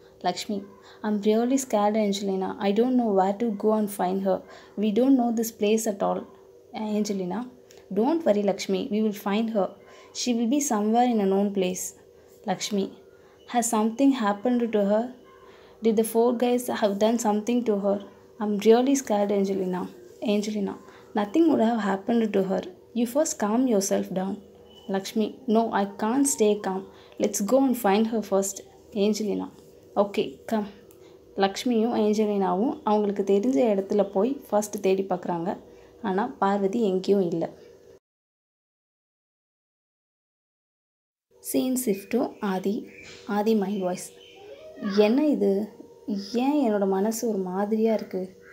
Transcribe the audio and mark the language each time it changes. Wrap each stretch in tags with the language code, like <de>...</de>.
<en>Lakshmi: I'm really scared Angelina, I don't know where to go and find her, we don't know this place at all. Angelina: don't worry Lakshmi, we will find her, she will be somewhere in a known place. Lakshmi: has something happened to her, did the four guys have done something to her, I'm really scared Angelina. Angelina: Nothing would have happened to her. You first calm yourself down. Lakshmi: No, I can't stay calm. Let's go and find her first. Angelina: Okay, come.</en> <ta>லக்ஷ்மியும் ஏஞ்சலினாவும் அவங்களுக்கு தெரிஞ்ச இடத்துல போய் first தேடி பார்க்குறாங்க. ஆனால் பார்வதி எங்கேயும் இல்லை. சீன் ஷிஃப்ட் ஆதி. ஆதி மைண்ட் வாய்ஸ்: என்ன இது, ஏன் என்னோட மனசு ஒரு மாதிரியாக இருக்குது?</ta>